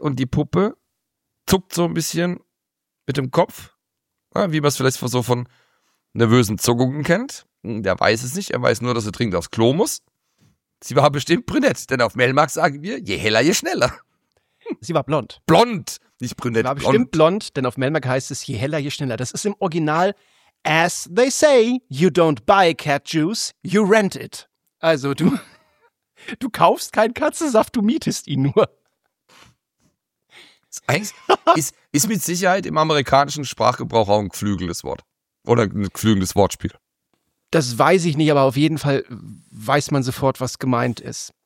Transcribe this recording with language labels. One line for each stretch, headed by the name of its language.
German: Und die Puppe zuckt so ein bisschen mit dem Kopf, wie man es vielleicht so von nervösen Zuckungen kennt. Der weiß es nicht, er weiß nur, dass er dringend aufs Klo muss. Sie war bestimmt brünett, denn auf Melmark sagen wir, je heller, je schneller. Sie war blond. Blond, nicht brünett, blond. Sie war bestimmt blond, denn auf Melmark heißt es, je heller, je schneller. Das ist im Original,
English: as they say, you don't buy cat juice, you rent it.
German: Also du kaufst keinen Katzensaft, du mietest ihn nur. Ist mit Sicherheit im amerikanischen Sprachgebrauch auch ein geflügeltes Wort. Oder ein geflügeltes Wortspiel. Das weiß ich nicht, aber auf jeden Fall weiß man sofort, was gemeint ist.